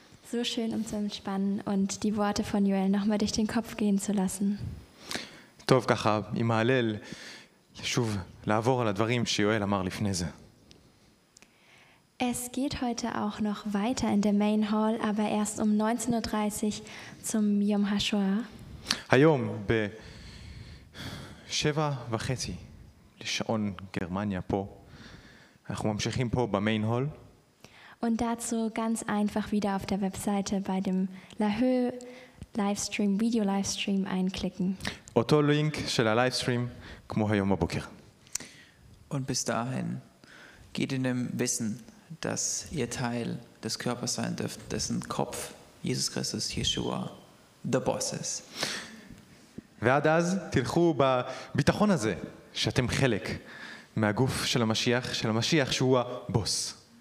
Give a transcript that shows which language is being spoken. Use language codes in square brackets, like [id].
[de] So schön, um zu entspannen und die Worte von Joel nochmal durch den Kopf gehen zu lassen. [he] טוב ככה, עם ההלל, לשוב, לעבור על הדברים שיואל אמר לפני זה. [de] Es geht heute auch noch weiter in der Main Hall, aber erst um 19:30 zum Yom HaShoah. [he] היום, ב7:30, לשעון גרמניה פה, אנחנו ממשיכים פה במיין הול. [de] Und dazu ganz einfach wieder auf der Webseite bei dem LaHoe Livestream, Video Livestream einklicken. [he] אותו לינק של הלייבסטרים כמו היום בבוקר. [de] Und bis dahin geht in dem Wissen, dass ihr Teil des Körpers sein dürft, dessen Kopf Jesus Christus, Yeshua, [en] the Boss [de] is. [he] ועד אז תלכו בביטחון הזה שאתם חלק מהגוף של המשיח, של המשיח שהוא הבוס.